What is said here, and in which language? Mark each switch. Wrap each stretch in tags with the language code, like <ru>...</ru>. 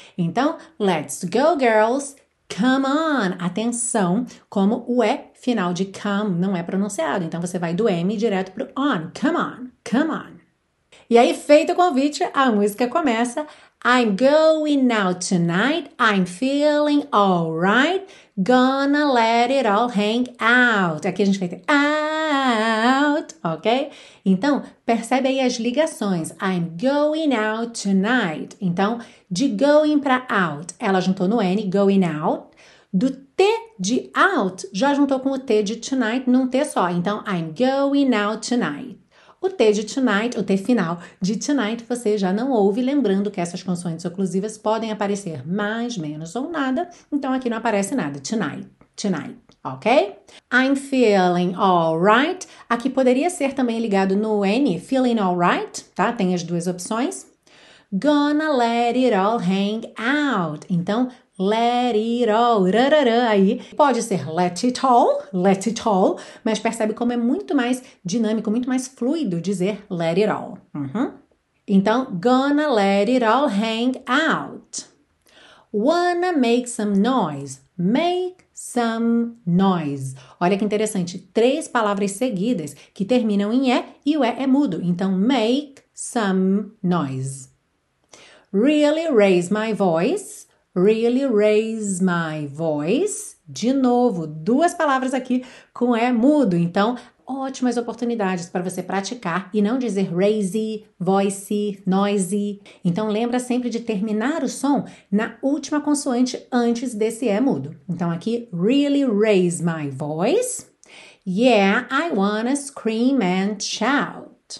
<en>Então, let's go, girls! Come on!</en> <pt>Atenção, como o E final de come não é pronunciado. Então você vai do M direto pro on.</pt> <en>Come on, come on.</en> <pt>E aí, feito o convite, a música começa.</pt> <en>I'm going out tonight. I'm feeling alright. Gonna let it all hang out.</en> <pt>Aqui a gente vai ter out, ok? Então, percebe aí as ligações.</pt> <en>I'm going out tonight.</en> <pt>Então, de going para out, ela juntou no N, going out. Do T de out, já juntou com o T de tonight num T só.</pt> <en>Então, I'm going out tonight.</en> <pt>O T de tonight, o T final de tonight, você já não ouve, lembrando que essas consoantes oclusivas podem aparecer mais, menos ou nada. Então aqui não aparece nada. Tonight, ok?</pt> <en>I'm feeling alright.</en> <pt>Aqui poderia ser também ligado no N, feeling alright, tá? Tem as duas opções.</pt> <en>Gonna let it all hang out.</en> <pt>Então, let it all, rarara, aí pode ser let it all, mas percebe como é muito mais dinâmico, muito mais fluido dizer let it all.</pt> <en>Então, gonna let it all hang out. Wanna make some noise, make some noise.</en> <pt>Olha que interessante, três palavras seguidas que terminam em e o é mudo.</pt> <en>Então, make some noise. Really raise my voice. Really raise my voice.</en> <pt>De novo, duas palavras aqui com E mudo. Então, ótimas oportunidades para você praticar e não dizer raise, voice, noise. Então, lembra sempre de terminar o som na última consoante antes desse E mudo. Então, aqui,</pt> <en>really raise my voice. Yeah, I wanna scream and shout.</en>